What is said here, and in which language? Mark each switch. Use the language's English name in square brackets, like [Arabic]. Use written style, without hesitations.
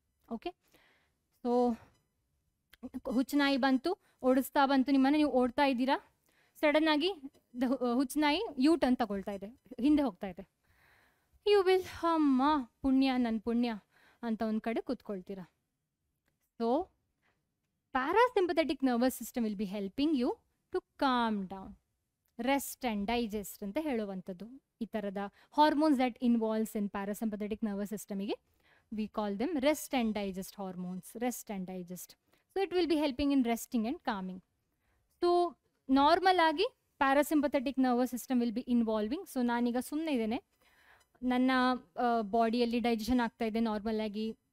[Kannada] Okay, so ಹುಚ್ಚನಾಯಿ ಬಂತು, ಓಡಿಸ್ತಾ ಬಂತು, ನಿಮ್ಮನ್ನು ನೀವು ಓಡ್ತಾ ಇದ್ದೀರಾ, ಸಡನ್ ಆಗಿ ದ ಹುಚ್ಚನಾಯಿ ಯೂ ಟರ್ನ್ ತಗೊಳ್ತಾ ಇದೆ, ಹಿಂದೆ ಹೋಗ್ತಾ ಇದೆ. [English] you will [Kannada] ಅಮ್ಮ ಪುಣ್ಯ, ನನ್ನ ಪುಣ್ಯ ಅಂತ ಒಂದು ಕಡೆ ಕೂತ್ಕೊಳ್ತೀರಾ. [English] So parasympathetic nervous system will be helping you to calm down. Rest and digest [Kannada] ಅಂತ ಹೇಳುವಂಥದ್ದು ಈ ಥರದ [English] hormones that involves in parasympathetic nervous ಸಿಸ್ಟಮಿಗೆ we call them rest and digest hormones rest and digest so it will be helping in resting and calming [Kannada] so normal ಆಗಿ [English] parasympathetic nervous system will be involving so [Kannada] ನಾನೀಗ ಸುಮ್ಮನೆ ಇದ್ದೇನೆ ನನ್ನ ಬಾಡಿಯಲ್ಲಿ digestion ಆಗ್ತಾ ಇದೆ normal ಆಗಿ